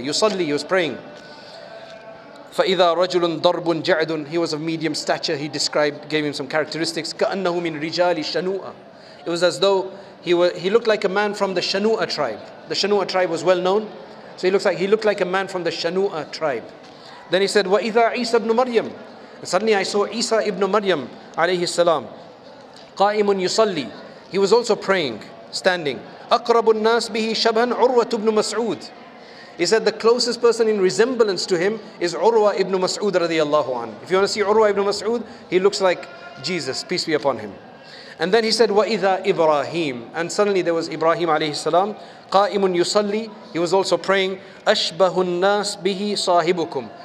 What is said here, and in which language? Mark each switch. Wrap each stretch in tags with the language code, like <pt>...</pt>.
<ar>Yusalli,</ar> <en>he was praying.</en> <ar>فَإِذَا رَجُلٌ ضَرْبٌ جَعْدٌ.</ar> <en>He was of medium stature. He described, gave him some characteristics.</en> <ar>كَأَنَّهُ مِنْ رِجَالِ شَنُوءَ.</ar> <en>It was as though he looked like a man from the Shanu'a tribe. The Shanu'a tribe was well known. So he looked like a man from the Shanu'a tribe. Then he said,</en> <ar>وَإِذَا عِيسَى ابْنُ مَرْيَمْ.</ar> <en>And suddenly I saw Isa ibn Maryam alayhi salam.</en> <ar>قَائِمٌ يُصَلِّ.</ar> <en>He was also praying, standing.</en> <ar>أَقْرَبُ النَّاسِ بِهِ شَبْهًا عُرْوَةُ بْنُ مَسْعُودِ.</ar> <en>He said the closest person in resemblance to him is Urwa ibn Mas'ud radiallahu anhu. If you want to see Urwa ibn Mas'ud, he looks like Jesus, peace be upon him. And then he said,</en> <ar>وَإِذَا إِبْرَاهِيمُ.</ar> <en>And suddenly there was Ibrahim alayhi salam.</en> <ar>قَائِمٌ يُصَلِّي.</ar> <en>He was also praying.</en> <ar>أَشْبَهُ النَّاسِ بِهِ صَاحِبُكُمْ.</ar>